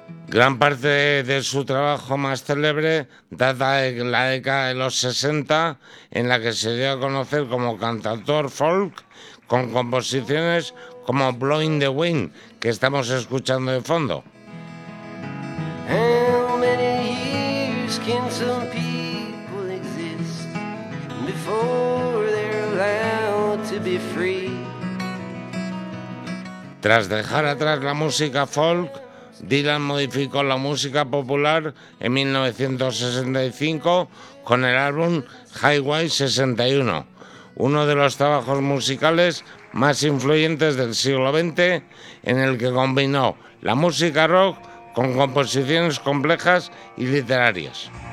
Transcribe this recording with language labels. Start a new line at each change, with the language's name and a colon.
Spanish: Gran parte de su trabajo más célebre data de la década de los 60, en la que se dio a conocer como cantautor folk, con composiciones como Blowing the Wind, que estamos escuchando de fondo.
English: How many years can some people exist before they're allowed to be free?
Spanish: Tras dejar atrás la música folk, Dylan modificó la música popular en 1965 con el álbum Highway 61, uno de los trabajos musicales más influyentes del siglo XX, en el que combinó la música rock con composiciones complejas y literarias.